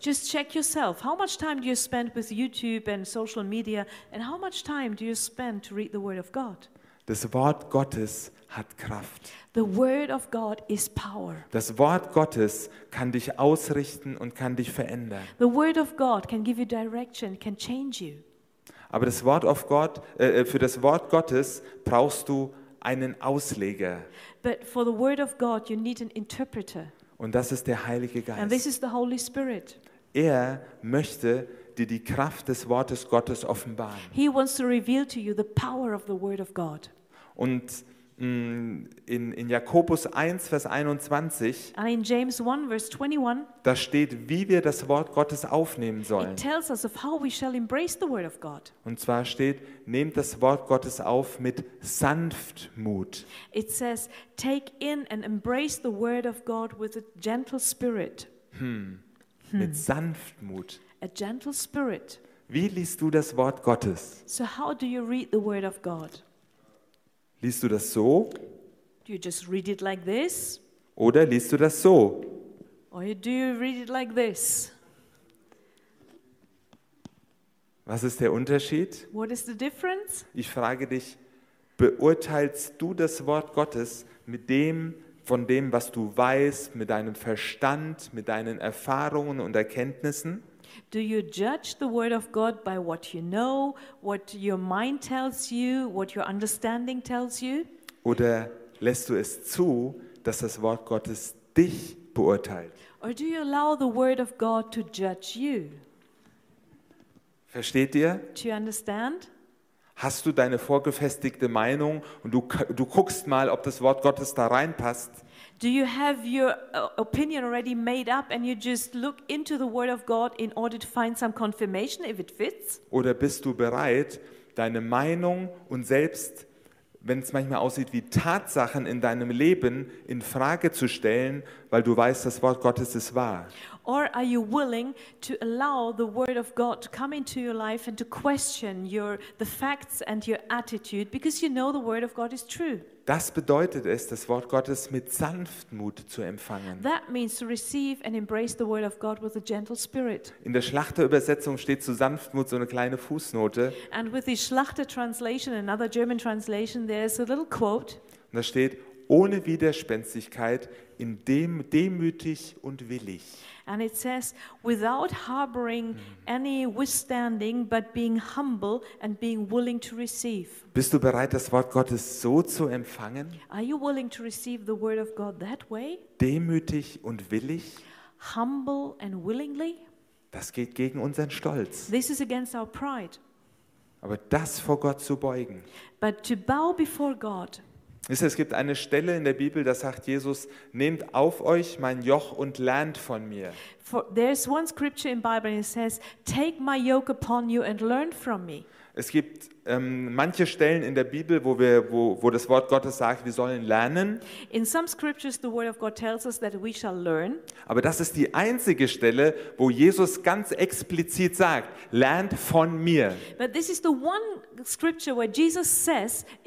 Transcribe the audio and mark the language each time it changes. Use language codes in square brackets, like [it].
[en] Just check yourself. How much time do you spend with YouTube and social media and how much time do you spend to read the Word of God? [de] Das Wort Gottes hat Kraft. [en] The Word of God is power. [de] Das Wort Gottes kann dich ausrichten und kann dich verändern. [en] The Word of God can give you direction, can change you. [de] Aber das Wort [en] of God, [de] für das Wort Gottes brauchst du einen Ausleger. [en] But for the word of God, you need an interpreter. [de] Und das ist der Heilige Geist. [en] And this is the Holy Spirit. [de] Er möchte dir die Kraft des Wortes Gottes offenbaren. [en] He wants to reveal to you the power of the word of God. [de] Und in Jakobus 1, Vers 21, [en] and in James 1, verse 21, [de] da steht, wie wir das Wort Gottes aufnehmen sollen. [en] It tells us of how we shall embrace the word of God. [de] Und zwar steht, nehmt das Wort Gottes auf mit Sanftmut. [en] It says, take in and embrace the word of God with a gentle spirit. [de] Mit Sanftmut. [en] A gentle spirit. [de] Wie liest du das Wort Gottes? [en] So how do you read the word of God? [de] Liest du das so? [en] Do you just read it like this? [de] Oder liest du das so? [en] Or do you read it like this? [de] Was ist der Unterschied? [en] What is the difference? [de] Ich frage dich, beurteilst du das Wort Gottes mit dem, von dem, was du weißt, mit deinem Verstand, mit deinen Erfahrungen und Erkenntnissen? [en] Do you judge the word of God by what you know, what your mind tells you, what your understanding tells you? [de] Oder lässt du es zu, dass das Wort Gottes dich beurteilt? [en] Or do you allow the word of God to judge you? [de] Versteht ihr? [en] Do you understand? [de] Hast du deine vorgefestigte Meinung und du guckst mal, ob das Wort Gottes da reinpasst? [en] Do you have your opinion already made up and you just look into the word of God in order to find some confirmation if it fits? [de] Oder bist du bereit, deine Meinung und selbst, wenn es manchmal aussieht wie Tatsachen in deinem Leben, in Frage zu stellen, weil du weißt, das Wort Gottes ist wahr? [en] Or are you willing to allow the word of God to come into your life and to question the facts and your attitude because you know the word of God is true? [de] Das bedeutet es, das Wort Gottes mit Sanftmut zu empfangen. [en] That means to receive and embrace the word of God with a gentle spirit. [de] In der Schlachter-Übersetzung steht zu Sanftmut so eine kleine Fußnote. [en] And with the Schlachter translation, another German translation, there's a little quote. [de] Und da steht, ohne Widerspenstigkeit, in dem demütig und willig. [en] And it says, without harboring any withstanding, but being humble and being willing to receive. [de] Bist du bereit, das Wort Gottes so zu empfangen? [en] Are you willing to receive the word of God that way? [de] Demütig und willig? [en] Humble and willingly? [de] Das geht gegen unseren Stolz. [en] This is against our pride. [de] Aber das vor Gott zu beugen. [en] But to bow before God. [de] Es gibt eine Stelle in der Bibel, da sagt Jesus, nehmt auf euch mein Joch und lernt von mir. [en] There's one scripture in the Bible and it says, take my yoke upon you and learn from me. [de] Es gibt manche Stellen in der Bibel, wo das Wort Gottes sagt, wir sollen lernen. [en] In some scriptures the word of God tells us that we shall learn. [de] Aber das ist die einzige Stelle, wo Jesus ganz explizit sagt, lernt von mir. [en] But this is the one scripture where Jesus says